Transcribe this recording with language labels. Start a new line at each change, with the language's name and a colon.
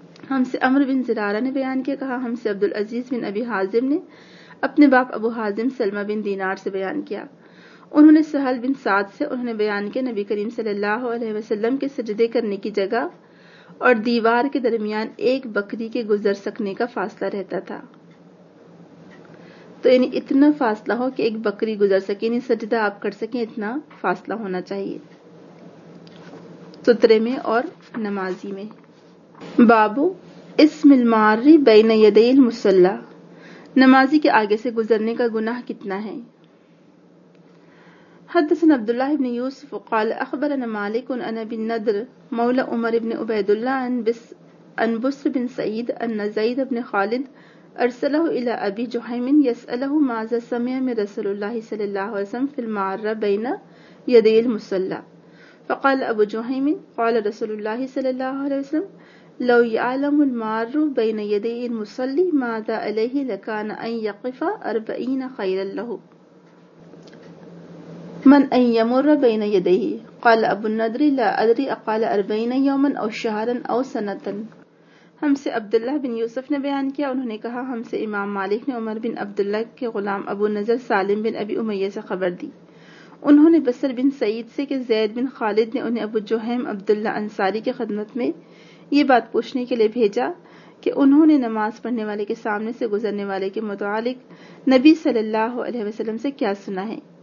Urdu: ہم سے عمرو بن زرارہ نے بیان کیا، کہا ہم سے عبد العزیز بن ابی حازم نے اپنے باپ ابو حازم سلمہ بن دینار سے بیان کیا، انہوں نے سہل بن سعد سے انہوں نے بیان کیا نبی کریم صلی اللہ علیہ وسلم کے سجدے کرنے کی جگہ اور دیوار کے درمیان ایک بکری کے گزر سکنے کا فاصلہ رہتا تھا، تو یعنی اتنا فاصلہ ہو کہ ایک بکری گزر سکے، یعنی سجدہ آپ کر سکیں، اتنا فاصلہ ہونا چاہیے سترے میں اور نمازی میں.
Arabic: بابو اسم الماری بین یدی المصلی،
Urdu: نمازی کے آگے سے گزرنے کا گناہ کتنا ہے.
Arabic: حدثنا عبد الله بن يوسف قال اخبرنا مالك ان ابي النضر مولى عمر بن عبيد الله عن بسر بن سعيد ان زيد بن خالد ارسله الى ابي جهيم يساله ماذا سمع من رسول الله صلى الله عليه وسلم في المعرة بين يدي المصلى، فقال ابو جهيم قال رسول الله صلى الله عليه وسلم لو يعلم المار بين يدي المصلي ماذا عليه لكان ان يقف 40 خيرا له من ان يمر بين يديه، قال ابو النضر لا ادري اقال 40 يوما او شهرا او سنه.
Urdu: ہم سے عبداللہ بن یوسف نے بیان کیا، انہوں نے کہا ہم سے امام مالک نے عمر بن عبداللہ کے غلام ابو نظر سالم بن ابی امیہ سے خبر دی، انہوں نے بسر بن سعید سے کہ زید بن خالد نے انہیں ابو جہیم عبداللہ انصاری کی خدمت میں یہ بات پوچھنے کے لیے بھیجا کہ انہوں نے نماز پڑھنے والے کے سامنے سے گزرنے والے کے متعلق نبی صلی اللہ علیہ وسلم سے کیا سنا ہے.